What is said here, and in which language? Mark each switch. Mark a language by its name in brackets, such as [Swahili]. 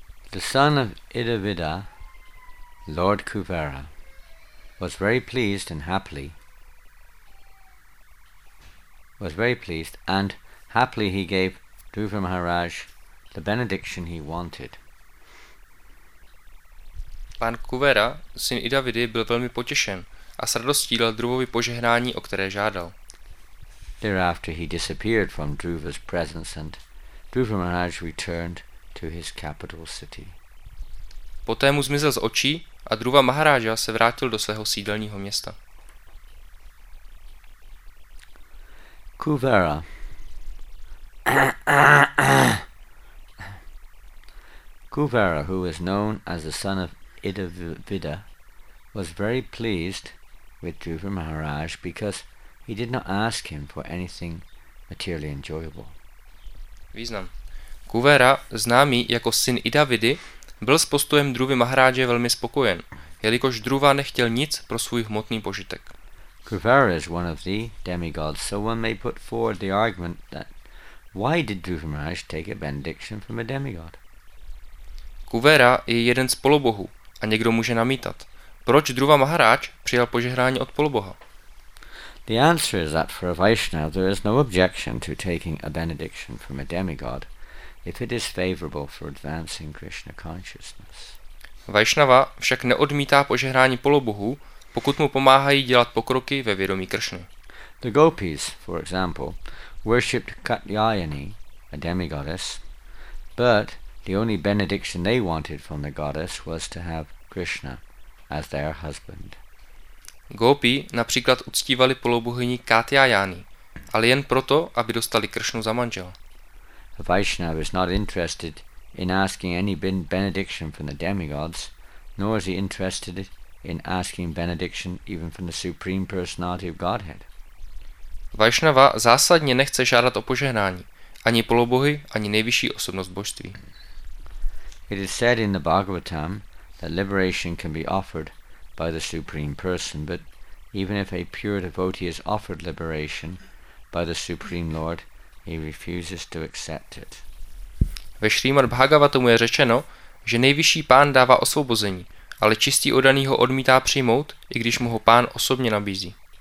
[English] The son of Idavida, Lord Kuvera, was very pleased and happily, was very pleased and happily he gave Dhruva Maharaj the benediction he wanted. [Czech] Pan Kuvera, syn Idavidy, byl velmi potěšen a s radostí dal Dhruvovi požehnání, o které žádal. [English] Thereafter he disappeared from Dhruva's presence and Dhruva Maharaj returned to his capital city. [Czech] Poté mu zmizel z očí a Dhruva Maharaja se vrátil do svého sídelního města. [English] Kuvera. Kuvera, who was known as the son of Idavida, was very pleased with Dhruva Maharaj because he did not ask him for anything materially enjoyable. [Czech] Význam. Kuvera, známý jako syn Idavidy, byl s postojem Dhruvy Maharáže velmi spokojen, jelikož Dhruva nechtěl nic pro svůj hmotný požitek. [English] Kuvera is one of the demigods, so one may put forward the argument that why did Dhruva Maharaj take a benediction from a demigod? [Czech] Kuvera je jeden z polobohů a někdo může namítat, proč Dhruva Maharáž přijal požehnání od poloboha? [English] The answer is that for a Vaishnava there is no objection to taking a benediction from a demigod if it is favorable for advancing Krishna consciousness. [Czech] Vaishnava však neodmítá požehnání polobohů, pokud mu pomáhají dělat pokroky ve vědomí Kršny. [English] The gopis, for example, worshipped Katyayani, a demigoddess, but the only benediction they wanted from the goddess was to have Krishna as their husband. [Czech] Gopi například uctívali polobohyni Katyayani, ale jen proto, aby dostali Kršnu za manžela. [English] A Vaishnava is not interested in asking any benediction from the demigods, nor is he interested in asking benediction even from the Supreme Personality of Godhead. [Czech] Vaishnava zásadně nechce žádat o požehnání, ani polobohy, ani nejvyšší osobnost božství. [English] It is said in the Bhagavatam that liberation can be offered by the Supreme Person, but even if a pure devotee is offered liberation by the Supreme Lord, he refuses to accept it. [Czech] Ve Srimad Bhagavatamu je řečeno, že nejvyšší pán dává osvobození, ale čistý oddaný ho odmítá přijmout, i když mu ho pán osobně nabízí.